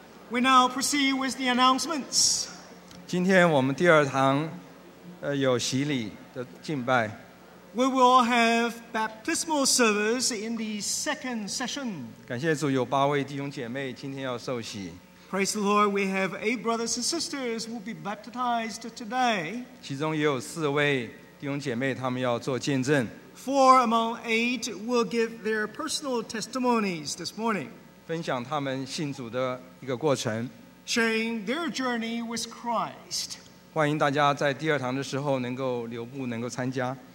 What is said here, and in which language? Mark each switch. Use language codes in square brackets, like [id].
[en] We now proceed with the announcements. [zh] 今天我们第二堂，有洗礼的敬拜。 [en] We will have baptismal service in the second session. [zh] 感谢主，有八位弟兄姐妹今天要受洗。 [en] Praise the Lord, we have eight brothers and sisters who will be baptized today. [zh] 其中也有四位弟兄姐妹，他们要做见证。 [en] Four among eight will give their personal testimonies this morning. [zh] 分享他们信主的一个过程。 [en] Sharing their journey with Christ. [zh] 欢迎大家在第二堂的时候能够留步，能够参加。